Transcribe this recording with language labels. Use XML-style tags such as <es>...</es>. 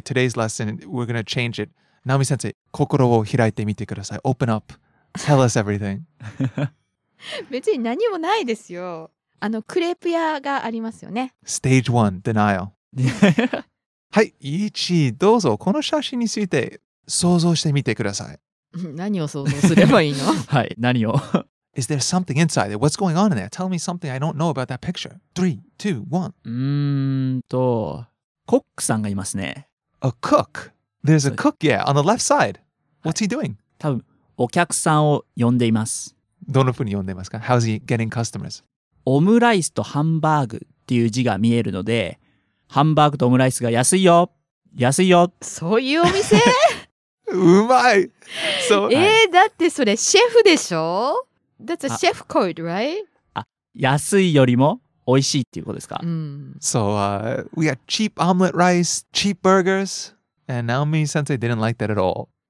<en>Today's lesson, we're gonna change it. Naomi sensei,</en> <ja>心を開いてみてください。</ja> <en>Open up. Tell us everything.</en> <ja>別に何もないですよ。あのクレープ屋がありますよね。</ja> <en>Stage one, denial.</en> <ja>はい、イチ、どうぞこの写真について想像してみてください。何を想像すればいいの？はい、何を。</ja> <en>Is there something inside it? What's going on in there? Tell me something I don't know about that picture. 3, 2, 1.</en> <ja>コックさんがいますね。</ja> <en>A cook? There's a cook, yeah, on the left side. What's he doing?</en> <ja>多分、お客さんを呼んでいます。どのふうに呼んでいますか?</ja> <en>How's he getting customers?</en> <ja>オムライスとハンバーグっていう字が見えるので、ハンバーグとオムライスが安いよ。安いよ。そういうお店? うまい。そう。だってそれシェフでしょ。</ja> <en>That's a chef code, right?</en> <ja>安いよりも美味しいっていうことですか。</ja> <en>So we got cheap omelette rice, cheap burgers, and Naomi sensei didn't like that at all.</en>